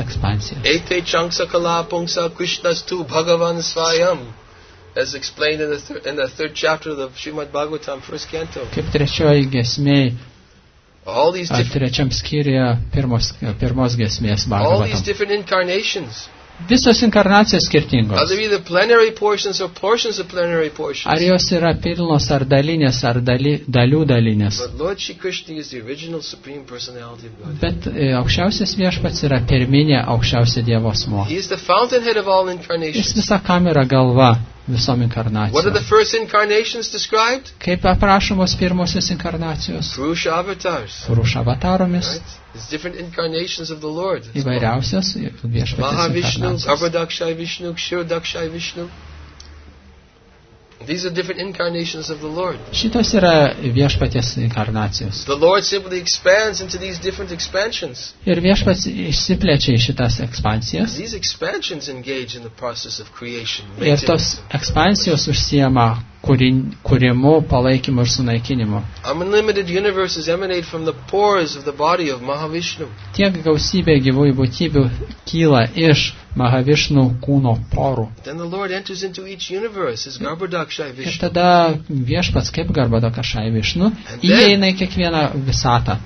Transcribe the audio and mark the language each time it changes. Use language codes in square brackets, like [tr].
[lt] ekspansijas. [en] As explained in the third chapter of Srimad Bhagavatam, first canto. [lt] Kaip trečioji giesmė, trečiam skyriuje pirmos giesmės Bhagavatam. [en] All these different incarnations. [lt] Visos inkarnacijos skirtingos. [en] Are they the plenary portions or portions of plenary portions? [lt] Ar jos yra pilnos ar dalinės, ar dalių dalinės? [en] But Lord Shri Krishna is the original supreme personality of God. [lt] Bet aukščiausias viešpats yra pirminė aukščiausia Dievo asmuo. [en] He is the fountainhead of all incarnations. [lt] Jis visa kam yra galva. Visom inkarnacijom. [en] What are the first incarnations described? [lt] Kaip aprašomos pirmosios inkarnacijos? [en] Purusha avatars. [lt] Purusha avataromis. [en] It's different incarnations of the Lord. [lt] Įvairiausios viešpaties inkarnacijos. Mahavishnu, Avadakshai Vishnu, Kshirodakshai Vishnu. [en] These are different incarnations of the Lord. [lt] Šitos yra viešpaties inkarnacijos. [en] The Lord simply expands into these different expansions. [lt] Ir viešpats išsiplečia į šitas ekspansijas. [en] These expansions engage in the process of creation. [lt] Ir tos ekspansijos užsiema kūrimu, palaikymu ir sunaikinimu. [en] Unlimited universes emanate from the pores of the body of Mahavishnu. [lt] Tiek gausybė gyvųjų būtybių kyla iš Mahavishnu kūno porų. [en] Then the Lord enters into each universe as Garbhodakshai Vishnu. [lt] Ir tada viešpats kaip Garbhodakshai Vishnu įeina į kiekvieną visatą.